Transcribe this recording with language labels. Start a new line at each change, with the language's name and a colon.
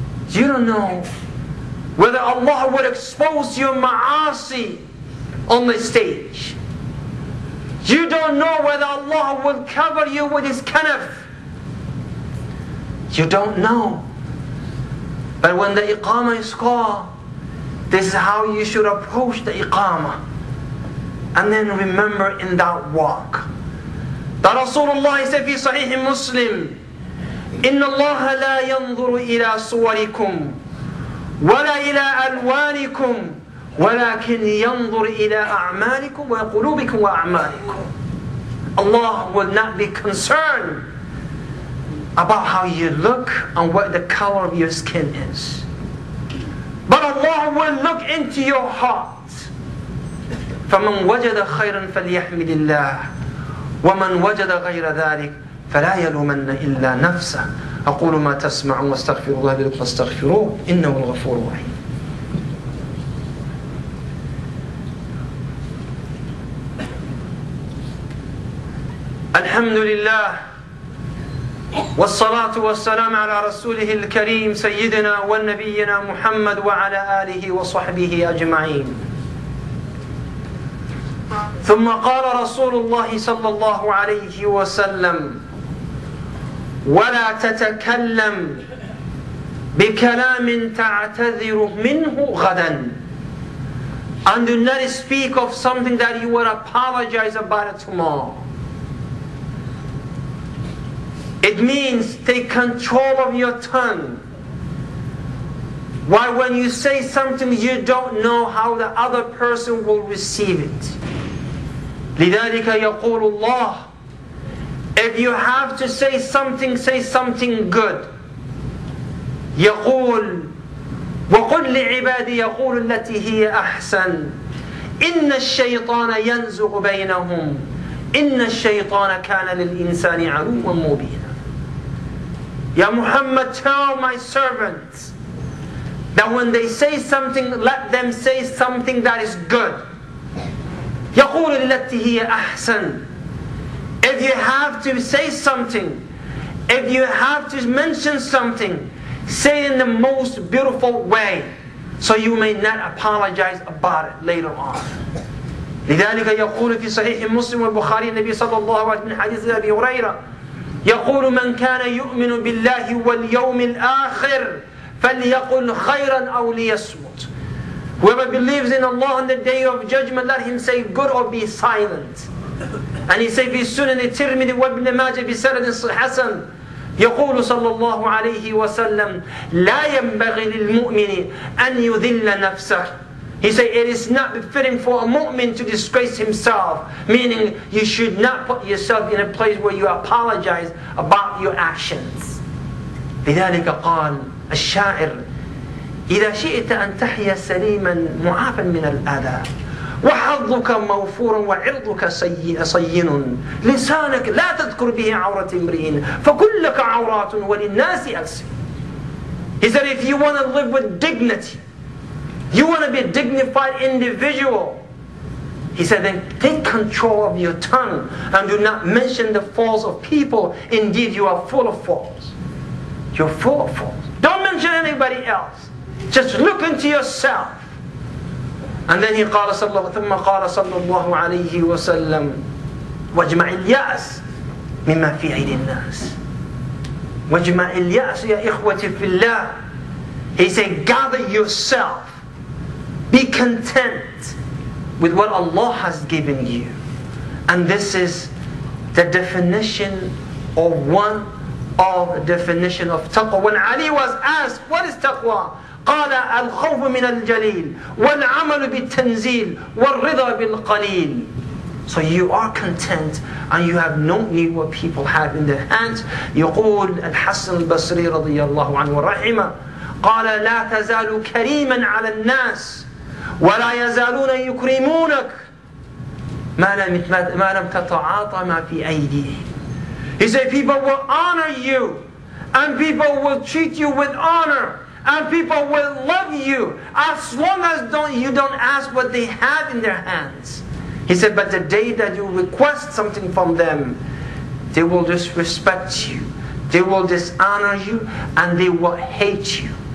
English: You don't know whether Allah would expose your ma'asi on the stage. You don't know whether Allah will cover you with His kanaf. You don't know. But when the iqamah is called, this is how you should approach the iqamah. And then remember in that walk that Rasulullah said fi Sahih Muslim,
Arabic: إِنَّ اللَّهَ لَا يَنْظُرُ إِلَىٰ صُوَرِكُمْ وَلَا إِلَىٰ أَلْوَانِكُمْ وَلَكِنْ يَنْظُرُ إِلَىٰ أَعْمَالِكُمْ وَقُلُوبِكُمْ وَأَعْمَالِكُمْ.
English: Allah will not be concerned about how you look and what the color of your skin is. But Allah will look into your heart.
Arabic: فَمَنْ وَجَدَ خَيْرًا فَلْيَحْمِدِ اللَّهِ وَمَنْ وَجَدَ غَيْرَ ذَلِكَ فَلَا يَلُومَنَّ إِلَّا نَفْسَهُ. أَقُولُ مَا تَسْمَعُونَ وَاسْتَغْفِرُوا اللَّهَ لَكُمْ فَاسْتَغْفِرُوهُ إِنَّهُ الْغَفُورُ الرَّحِيمُ. الحمد لله والصلاة والسلام على رسوله الكريم سيدنا ونبينا محمد وعلى آله وصحبه أجمعين. ثم قال رسول الله صلى الله عليه وسلم ولا تتكلم بكلام تعتذر منه غدا.
English: And do not speak of something that you will apologize about it tomorrow. It means take control of your tongue. Why, when you say something you don't know how the other person will receive it.
Arabic: لذلك يقول الله
English: If you have to say something good.
Arabic: يقول وقل لعبادي يقول التي هي أحسن إن الشيطان ينزغ بينهم إن الشيطان كان للإنسان عدوا مبينا.
English: Ya Muhammad, tell my servants that when they say something, let them say something that is good.
Arabic: يقول التي هي أحسن.
English: If you have to say something, if you have to mention something, say in the most beautiful way, so you may not apologize about it later on.
Arabic: لذلك يقول في صحيح مسلم والبخاري النبي صلى الله عليه وسلم حديث أبي هريرة يقول من كان يؤمن بالله واليوم الآخر فليقل خيرا أو ليصمت.
English: Whoever believes in Allah on the day of judgment, let him say good or be silent. And he said
Arabic: في سنن الترمذي وابن ماجه بسند حسن يقول صلى الله عليه وسلم لا ينبغي للمؤمن أن يذل نفسه.
English: He said it is not befitting for a mu'min to disgrace himself, meaning you should not put yourself in a place where you apologize about your actions.
Arabic: لذلك قال الشاعر إذا شئت أن تحيا سليما معافا من الأذى وحظك موفورا وعرضك صين لسانك لا تذكر به عورة امرئ فكلك عورات وللناس ألسن.
English: He said if you want to live with dignity, you want to be a dignified individual, he said then take control of your tongue and do not mention the faults of people. Indeed you are full of faults. You're full of faults. Don't mention anybody else. Just look into yourself. And then he
Arabic: قال صلى الله ثم قال صلى الله عليه وسلم واجمع الياس مما في عين الناس واجمع الياس يا اخوتي في الله.
English: He said gather yourself, be content with what Allah has given you. And this is the definition or one of the definition of taqwa. When Ali was asked what is taqwa,
Arabic: قال الخوف من الجليل والعمل بالتنزيل والرضا بالقليل.
English: So you are content and you have no need what people have in their hands.
Arabic: يقول الحسن البصري رضي الله عنه ورحمه قال لا تزال كريما على الناس ولا يزالون يكرمونك ما لم تتعاطى ما في أيديهم.
English: He said people will honor you and people will treat you with honor and people will love you as long as you don't ask what they have in their hands. He said, but the day that you request something from them, they will disrespect you, they will dishonor you, and they will hate you.